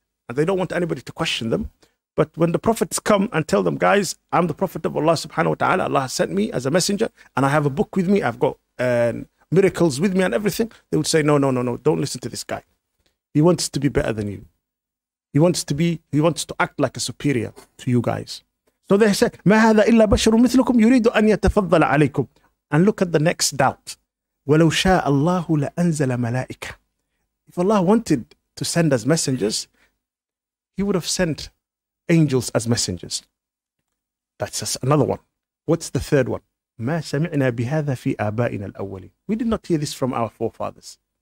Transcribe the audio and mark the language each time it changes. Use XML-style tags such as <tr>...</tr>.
<en>And they don't want anybody to question them. But when the prophets come and tell them, guys, I'm the prophet of Allah subhanahu wa ta'ala. Allah has sent me as a messenger. And I have a book with me. I've got miracles with me and everything. They would say, no. Don't listen to this guy. He wants to be better than you. He wants to act like a superior to you guys. So they said,</en> <ar>ما هذا إلا بشر مثلكم يريد أن يتفضل عليكم.</ar> <en>And look at the next doubt.</en> <ar>وَلَوْ شَاءَ اللَّهُ لَأَنزَلَ مَلَائِكَ.</ar> <en>If Allah wanted to send us messengers, he would have sent angels as messengers. That's just another one. What's the third one?</en> <ar>مَا سَمِعْنَا بِهَذَا فِي آبَائِنَا الْأَوَّلِينَ.</ar> <en>We did not hear this from our forefathers.</en>